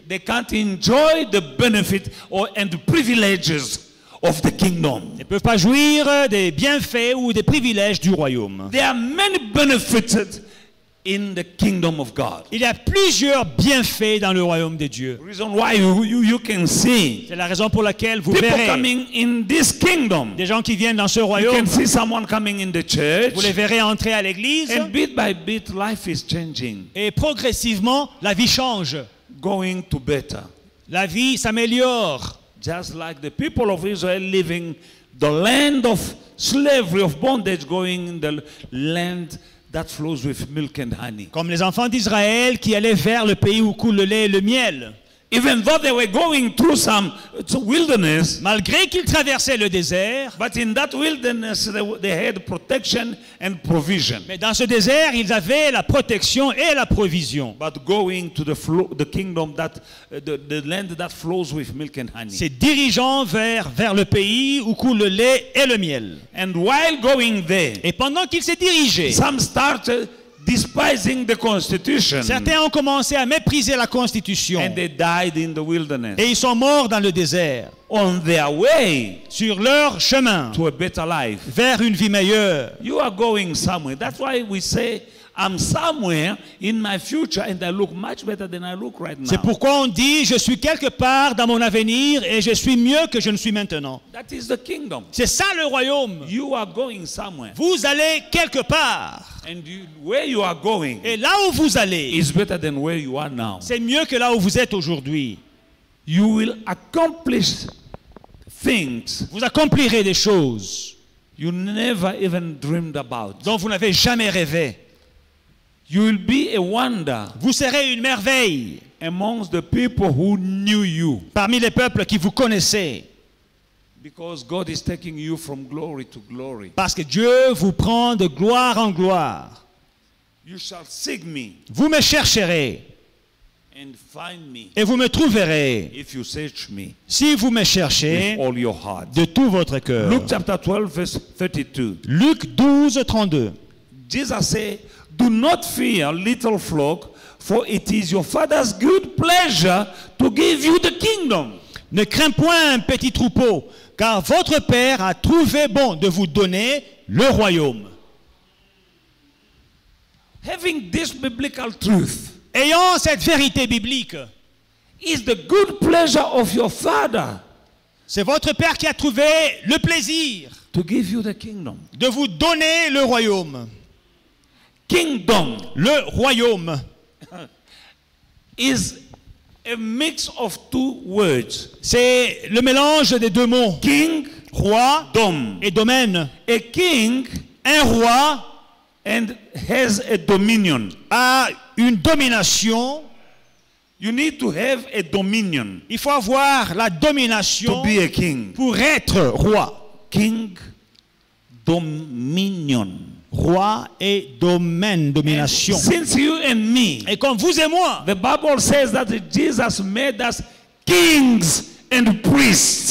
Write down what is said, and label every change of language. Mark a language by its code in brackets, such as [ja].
[en] They can't enjoy the benefit or and the privileges of the kingdom. [fr] Ils ne peuvent pas jouir des bienfaits ou des privilèges du royaume. [en] There are many benefits in the kingdom of God. [fr] Il y a plusieurs bienfaits dans le royaume de Dieu. [en] Reason why you can see. [fr] C'est la raison pour laquelle vous [en] people [fr] verrez. [en] Coming in this kingdom. [fr] Des gens qui viennent dans ce royaume. [en] You can see someone coming in the church. [fr] Vous les verrez entrer à l'église. [en] And bit by bit, life is changing. [fr] Et progressivement, la vie change. [en] Going to better. [fr] La vie s'améliore. [en] Just like the people of Israel living the land of slavery of bondage, going in the land that flows with milk and honey. [fr] Comme les enfants d'Israël qui allaient vers le pays où coule le lait et le miel. [en] Even though they were going through some wilderness, [fr] malgré qu'ils traversaient le désert, [en] but in that wilderness they had protection and provision. [fr] Mais dans ce désert, ils avaient la protection et la provision. [en] But going to the kingdom that the land that flows with milk and honey. [fr] C'est dirigeant vers le pays où coule le lait et le miel. [en] And while going there, [fr] et pendant qu'ils se dirigeaient, [en] some started despising the constitution. [fr] Certains ont commencé à mépriser la constitution. [en] And they died in the wilderness. [fr] Et ils sont morts dans le désert. [en] On their way. [fr] Sur leur chemin. [en] To a better life. [fr] Vers une vie meilleure. [en] You are going somewhere. That's why we say I'm somewhere in my future and I look much better than I look right now. [fr] C'est pourquoi on dit je suis quelque part dans mon avenir et je suis mieux que je ne suis maintenant. [en] That is the kingdom. [fr] C'est ça le royaume. [en] You are going somewhere. [fr] Vous allez quelque part. [en] And where you are going. [fr] Et là où vous allez. [en] Is better than where you are now. [fr] C'est mieux que là où vous êtes aujourd'hui. [en] You will accomplish things. [fr] Vous accomplirez des choses. [en] You never even dreamed about. [fr] Dont vous n'avez jamais rêvé. [en] You will be a wonder. [fr] Vous serez une merveille. [en] Amongst the people who knew you. [fr] Parmi les peuples qui vous connaissaient. [en] Because God is taking you from glory to glory. [fr] Parce que Dieu vous prend de gloire en gloire. [en] You shall seek me. [fr] Vous me chercherez. [en] and find me, [fr] et vous me trouverez [en] if you search me, [fr] si vous me cherchez [en] with all your heart, [fr] de tout votre cœur. [en] Luke chapter 12 verse 32. [fr] Luke 12 32. [en] Jesus said, "Do not fear, little flock, for it is your Father's good pleasure to give you the kingdom." [fr] Ne crains point un petit troupeau, car votre Père a trouvé bon de vous donner le royaume. [en] Having this biblical truth, [fr] ayant cette vérité biblique, [en] is the good pleasure of your Father. [fr] C'est votre Père qui a trouvé le plaisir [en] to give you the kingdom, [fr] de vous donner le royaume. [en] Kingdom, [fr] le royaume, [en] is a mix of two words. [fr] C'est le mélange des deux mots. [en] King, [fr] roi, [en] dom, [fr] et domaine. [en] A king, [fr] un roi, [en] and has a dominion, [fr] a une domination. [en] You need to have a dominion. [fr] Il faut avoir la domination [en] to be a king, [fr] pour être roi. [en] King, dominion. [fr] Roi et domaine, domination. [en] And since you and me, [fr] et comme vous et moi, [en] the Bible says that Jesus made us kings and priests.